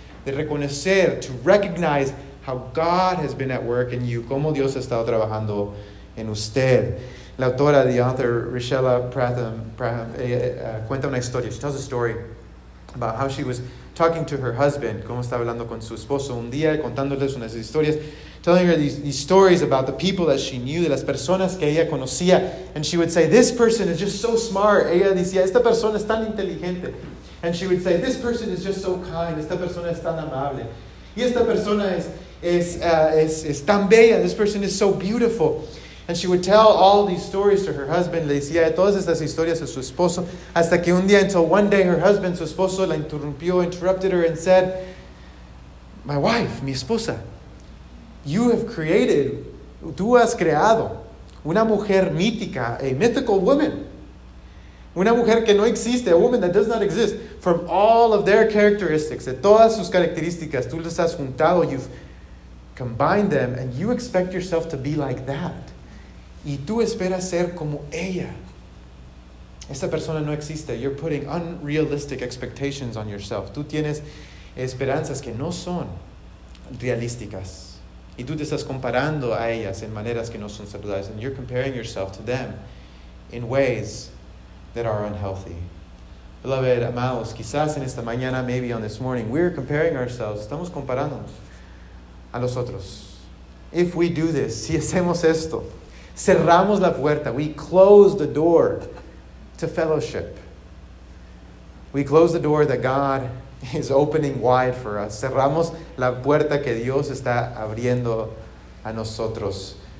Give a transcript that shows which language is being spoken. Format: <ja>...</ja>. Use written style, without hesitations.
<es>De reconocer,</es> <en>to recognize how God has been at work in you.</en> <es>Como Dios ha estado trabajando en usted. La autora,</es> <en>the author,</en> <es>Richella Pratham, cuenta una historia.</es> <en>She tells a story about how she was talking to her husband.</en> <es>Como estaba hablando con su esposo un día, contándoles unas historias.</es> <en>Telling her these stories about the people that she knew,</en> <es>de las personas que ella conocía.</es> <en>And she would say, this person is just so smart.</en> <es>Ella decía, esta persona es tan inteligente.</es> <en>And she would say, this person is just so kind.</en> <es>Esta persona es tan amable. Y esta persona es tan bella.</es> <en>This person is so beautiful. And she would tell all these stories to her husband.</en> <es>Le decía todas estas historias a su esposo. Hasta que un día,</es> <en>until one day, her husband,</en> <es>su esposo, la</es> <en>interrupted her and said, my wife,</en> <es>mi esposa,</es> <en>you have created,</en> <es>tú has creado una mujer mítica,</es> <en>a mythical woman.</en> <es>Una mujer que no existe,</es> <en>a woman that does not exist. From all of their characteristics,</en> <es>de todas sus características, tú las has juntado,</es> <en>you've combined them, and you expect yourself to be like that.</en> <es>Y tú esperas ser como ella. Esta persona no existe.</es> <en>You're putting unrealistic expectations on yourself.</en> <es>Tú tienes esperanzas que no son realísticas. Y tú te estás comparando a ellas en maneras que no son saludables.</es> <en>And you're comparing yourself to them in ways that are unhealthy.</en> <es>Beloved, amados, quizás en esta mañana,</es> <en>maybe on this morning, we're comparing ourselves,</en> <es>estamos comparándonos a los otros.</es> <en>If we do this,</en> <es>si hacemos esto, cerramos la puerta,</es> <en>we close the door to fellowship. We close the door that God is opening wide for us.</en> <es>Cerramos la puerta que Dios está abriendo a nosotros.</es>